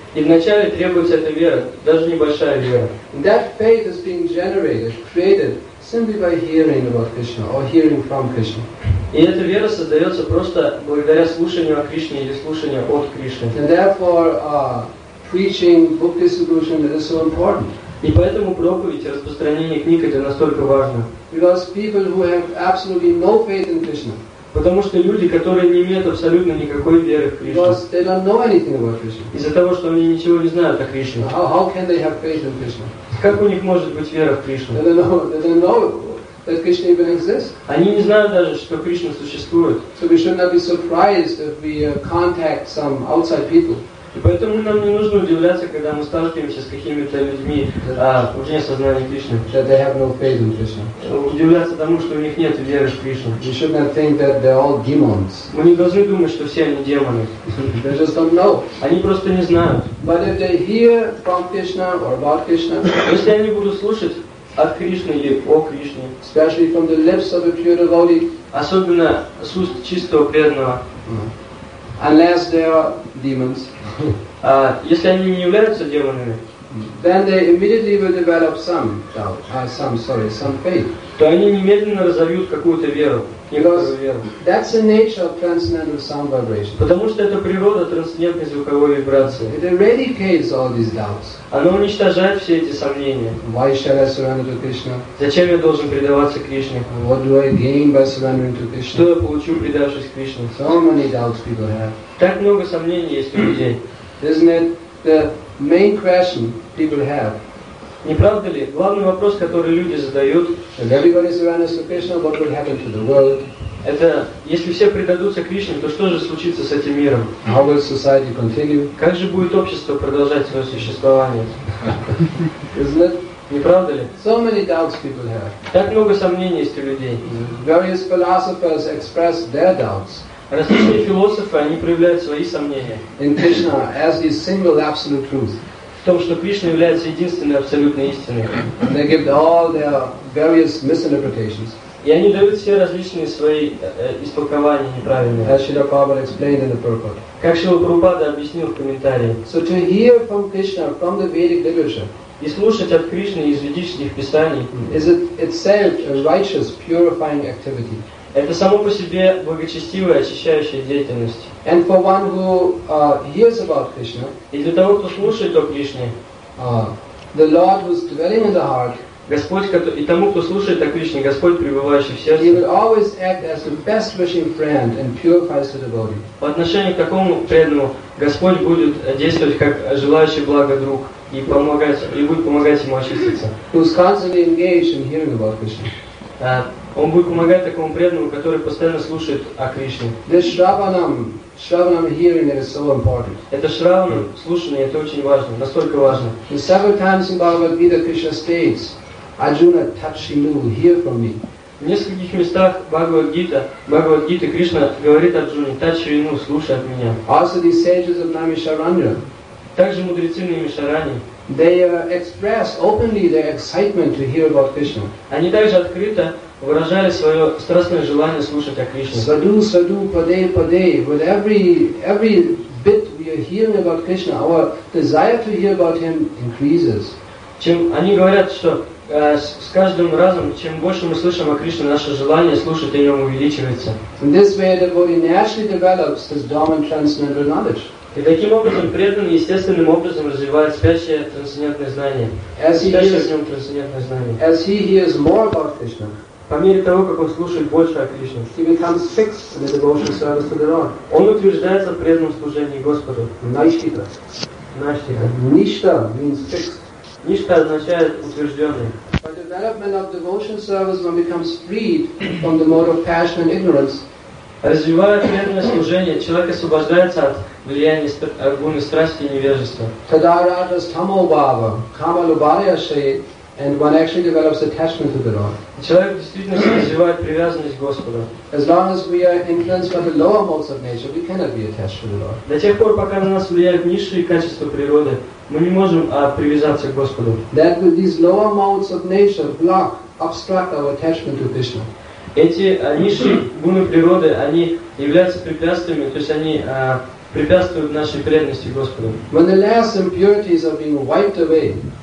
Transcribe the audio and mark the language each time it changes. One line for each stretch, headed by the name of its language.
Russian: И вначале требуется эта вера, даже небольшая вера.
English: That faith is being generated, created simply by hearing about Krishna or hearing from Krishna.
Russian: И эта вера создается просто благодаря слушанию о Кришне или слушанию от Кришны.
English: And therefore, preaching book distribution is so important.
Russian: И поэтому проповедь и распространение книг — это настолько важно.
English: Because people who have absolutely no faith in Krishna.
Russian: Потому что люди, которые не имеют абсолютно никакой веры в Кришну.
English: Because they don't know anything about Krishna.
Russian: Из-за того, что они ничего не знают о Кришне.
English: How can they have faith in Krishna?
Russian: Как у них может быть вера в Кришну?
English: They don't know that Krishna even exists.
Russian: Они не знают даже, что Кришна существует.
English: So we should not be surprised if we contact some outside people.
Russian: И поэтому нам не нужно удивляться, когда мы сталкиваемся с какими-то людьми, вне сознания Кришны.
English: That they have no faith in Krishna.
Russian: Удивляться тому, что у них нет веры в Кришну.
English: We should not think that they're all demons.
Russian: Мы не должны думать, что все они демоны.
English: They just don't know.
Russian: Они просто не знают.
English: But if they hear from Krishna or about Krishna,
Russian: если они будут слушать от Кришны или о Кришне,
English: especially from the lips of a pure devotee,
Russian: особенно с уст чистого преданного,
English: unless they are demons.
Russian: Если они не являются демонами,
English: then they immediately will develop some doubt, some faith.
Russian: То они немедленно разовьют какую-то веру.
English: That's the nature of transcendental sound vibration.
Russian: Потому что это природа трансцендентной звуковой вибрации.
English: It eradicates all these doubts.
Russian: Оно уничтожает все эти сомнения.
English: Why should I surrender to Krishna?
Russian: Зачем я должен предаваться Кришне?
English: What do I gain by surrendering to Krishna?
Russian: Что я получу, предавшись Кришне?
English: So many doubts people have.
Russian: Так много сомнений есть у людей.
English: Isn't it the main question people have?
Russian: Не правда ли? Главный вопрос, который люди задают, это если все предадутся Кришне, то что же случится с этим миром?
English: How will society continue?
Russian: Как же будет общество продолжать свое существование?
English: Isn't it?
Russian: Не правда ли?
English: So many doubts people have.
Russian: Так много сомнений есть у людей.
English: Various philosophers express their doubts.
Russian: Различные философы, они проявляют свои сомнения.
English: In Krishna as the single absolute truth.
Russian: В том, что Кришна является единственной абсолютной истиной.
English: They give all their various misinterpretations.
Russian: И они дают все различные свои истолкования неправильные.
English: As Śrīla Prabhupāda explained in the purport.
Russian: Как Śrīla Prabhupāda объяснил в комментарии.
English: So to hear from Krishna from the Vedic literature.
Russian: И слушать от Кришны из ведических писаний.
English: Is it itself a righteous, purifying activity?
Russian: Это само по себе благочестивая, очищающая деятельность.
English: And for one who hears about Krishna,
Russian: и для того, кто слушает о Кришне,
English: the Lord who's dwelling in the heart,
Russian: Господь, и тому, кто слушает о Кришне, Господь, пребывающий в сердце,
English: he will always act as the best wishing friend and purifies the devotee.
Russian: По отношению к такому преданному, Господь будет действовать как желающий благо друг и помогать, и будет помогать ему очиститься.
English: Who's constantly engaged in hearing about Krishna.
Russian: Он будет помогать такому преданному, который постоянно слушает о Кришне.
English: This shravanam, shravanam hearing is so important.
Russian: Это шравана, слушание, это очень важно, настолько важно.
English: In several times in Bhagavad Gita, Krishna states, Arjuna, tachinu, hear from me.
Russian: В нескольких местах Бхагавад-гита Кришна говорит Арджуне, тачину, слушай от меня.
English: Also the sages of Namisharanya.
Russian: Также мудрецы Намишарани.
English: They express openly their excitement to hear about Krishna.
Russian: Они также открыто выражали свое страстное желание слушать о Кришне.
Sanskrit: Sadhu, sadhu, padey, padey.
English: With every bit we are hearing about Krishna, our desire to hear about Him increases.
Russian: Чем они говорят, что с каждым разом, чем больше мы слышим о Кришне, наше желание слушать о Нем увеличивается.
English: In this way, the devotee naturally develops his dormant transcendental knowledge.
Russian: И таким образом преданный естественным образом развивает спящее трансцендентное знание.
English: As he hears more about Krishna,
Russian: по мере того, как он слушает больше о Кришне,
English: he becomes fixed in the devotional service to the Lord.
Russian: Он утверждается в преданном служении Господу.
Sanskrit: Nishtha. Nishtha.
English: Nishtha means fixed.
Russian: Nishtha означает утвержденный.
English: By the development of devotional service, one becomes freed from the mode of passion and ignorance.
Russian: Развивая преданное служение, человек освобождается от влияния аргуны страсти и невежества.
Sanskrit: Tadaratas tamobhava, kamalubhayashe,
English: and one actually develops attachment to the Lord.
Russian: Человек действительно развивает привязанность к Господу.
English: As long as we are influenced by the lower modes of nature, we cannot be attached to the Lord.
Russian: До тех пор, пока на нас влияют низшие качества природы, мы не можем привязаться к Господу.
English: That with these lower modes of nature block, obstruct our attachment to Krishna.
Russian: Эти низшие гуны природы, они являются препятствиями, то есть они препятствуют нашей преданности Господу.
English: When the last impurities are being wiped away,